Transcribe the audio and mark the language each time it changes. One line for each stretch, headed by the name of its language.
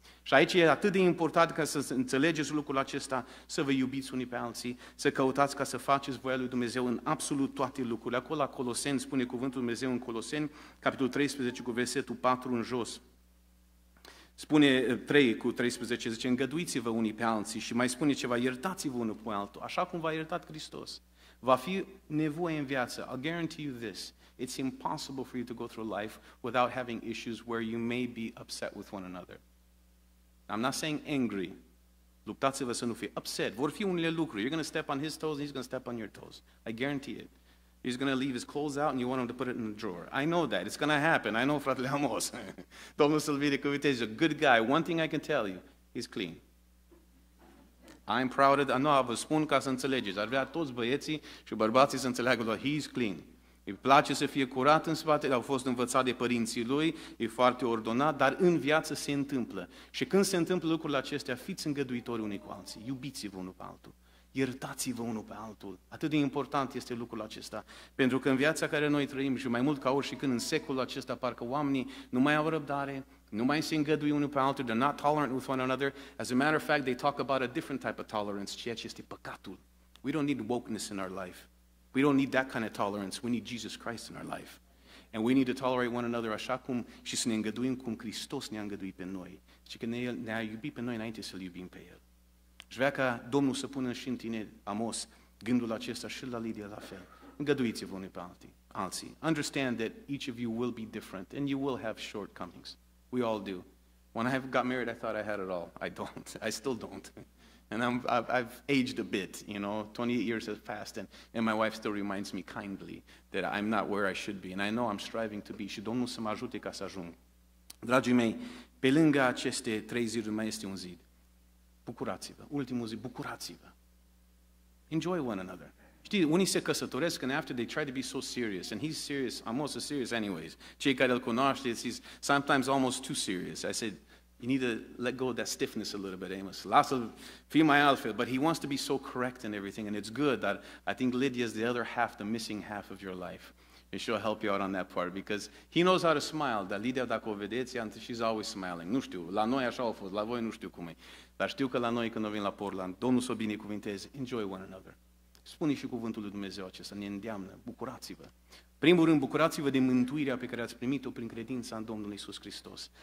Romanian: Și aici e atât de important ca să înțelegeți lucrul acesta, să vă iubiți unii pe alții, să căutați ca să faceți voia lui Dumnezeu în absolut toate lucrurile. Acolo la Coloseni spune cuvântul Dumnezeu în Coloseni, capitolul 13 cu versetul 4 în jos. Spune 3 cu 13, zice, îngăduiți-vă unii pe alții și mai spune ceva, iertați-vă unul pe altul, așa cum v-a iertat Hristos. Va fi nevoie în viață,
English: I guarantee you this, it's impossible for you to go through life without having issues where you may be upset with one another. I'm not saying angry.
Romanian: Luptați-vă să nu fie upset. Vor fi unele lucruri.
English: You're going to step on his toes and he's going to step on your toes. I guarantee it. He's going to leave his clothes out and you want him to put it in the drawer. I know that. It's going to happen. I know, fratele Amos.
Romanian: Domnul să-l binecuvinteze.
English: He's a good guy. One thing I can tell you. He's clean. I'm proud of that.
Romanian: No, vă spun ca să înțelegeți. Ar vrea toți băieții și bărbații să înțeleagă că
English: he's clean.
Romanian: Îi place să fie curat în spate, au fost învățat de părinții lui, e foarte ordonat, dar în viață se întâmplă. Și când se întâmplă lucrurile acestea, fiți îngăduitori unii cu alții, iubiți-vă unul pe altul, iertați-vă unul pe altul. Atât de important este lucrul acesta. Pentru că în viața care noi trăim și mai mult ca oricând în secolul acesta, parcă oamenii nu mai au răbdare, nu mai se îngăduie unul pe altul,
English: they're not tolerant with one another. As a matter of fact, they talk about a different type of tolerance,
Romanian: ceea ce este păcatul.
English: We don't need wokeness in our life. We don't need that kind of tolerance. We need Jesus Christ in our life. And we need to tolerate one another
Romanian: așa cum și să ne îngăduim cum Hristos ne-a îngăduit pe noi. Și că ne-a iubit pe noi înainte să-L iubim pe El. Și vrea ca Domnul să pună și în tine, Amos, gândul acesta și la Lidia la fel. Îngăduiți-vă unii pe alții.
English: Understand that each of you will be different and you will have shortcomings. We all do. When I got married, I thought I had it all. I don't. I still don't. And I've aged a bit, you know, 28 years have passed, and my wife still reminds me kindly that I'm not where I should be, and I know I'm striving to be,
Romanian: și Domnul să mă ajute ca să ajung. Dragii mei, pe lângă aceste trei ziduri mai este un zid. Bucurați-vă, ultimul zid, bucurați-vă.
English: Enjoy one another.
Romanian: Știi, unii se căsătoresc
English: and after they try to be so serious, and he's serious, I'm also serious anyways.
Romanian: Cei care îl cunoaște,
English: he's sometimes almost too serious. I said, you need to let go of that stiffness a little bit, Amos.
Romanian: Lasă-l, fii mai altfel.
English: But he wants to be so correct and everything, and it's good that I think Lydia is the other half, the missing half of your life. And she'll help you out on that part because he knows how to smile.
Romanian: Dar Lydia, dacă o vedeți,
English: she's always smiling.
Romanian: Nu știu, la noi așa a fost, la voi nu știu cum e. Dar știu că la noi când vin la Portland, Domnul să o binecuvinteze.
English: Enjoy one another.
Romanian: Spune și cuvântul lui Dumnezeu acesta, ne îndeamnă, bucurați-vă. Primul rând, bucurați-vă de mântuirea pe care ați primit-o prin credința în Domnul Iisus Hristos.